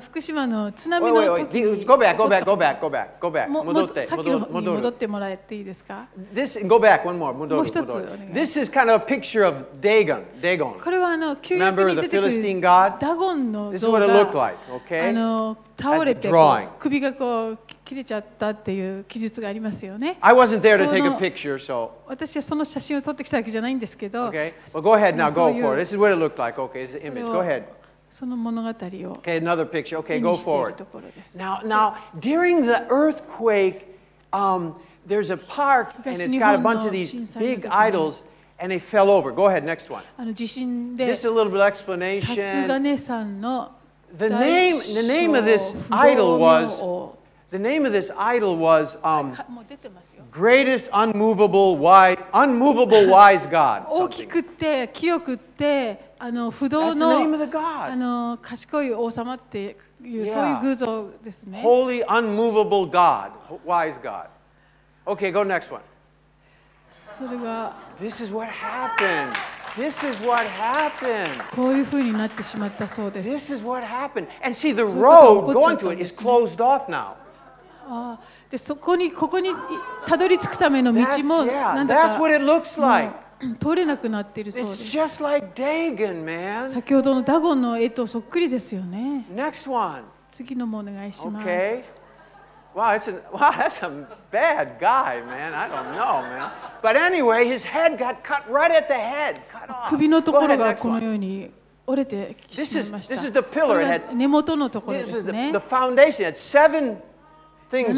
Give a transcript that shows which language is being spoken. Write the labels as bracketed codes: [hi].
[ja] Fukushima の津波の時に。 [en] Go back. [ja] 戻ってもらっていいですか？ [en] This go back one more. [ja] 戻る。もう一つ。 [en] This is kind of a picture of Dagon. [ja] これは旧約に出てくるダゴンの像が。 [en] This is what it looked like. Okay. [ja] 倒れて首がこう。切れちゃったっていう記述がありますよね。 [en] I wasn't there to take a picture, so. [ja] 私はその写真を撮ってきたわけじゃないんですけど。 [en] Okay. Well, go ahead now. Go for it. This is what it looked like. Okay. It's the image. Go ahead. [ja] その物語を。 [en] Okay. Another picture. Okay. Go forward. [ja] ところです。 [en] Now, during the earthquake, there's a park and it's got a bunch of these big idols and they fell over. Go ahead. Next one. [ja] 地震で。 [en] Just a little bit of explanation. [ja] 辰金さんの。 [en] The name of this idol was. The name of this idol was Greatest Unmovable Wise God. [ja] 大きくて清くて不動の賢い王様っていう、 [en] yeah. [ja] そういう偶像ですね。 [en] Holy Unmovable God, Wise God. Okay, go next one. [ja] それが [en] This is what happened. This is what happened. [ja] こういうふうになってしまったそうです。 [en] This is what happened. And see, the road going to it is closed off now. [ja] でそこにここにたどり着くための道もなんだか、 [en] like. [ja] 通れなくなっているそうです、 [en] like、Dagon, man. [ja] 先ほどのダゴンの絵とそっくりですよね。 [en] Next one. [ja] 次のもお願いします、 [en] okay. Wow, it's a, wow, that's a bad guy, man. I don't know, man. But anyway, his head got cut right at the head, cut off. Go ahead, next one. This is the pillar. It had, this is the foundation. It had seven things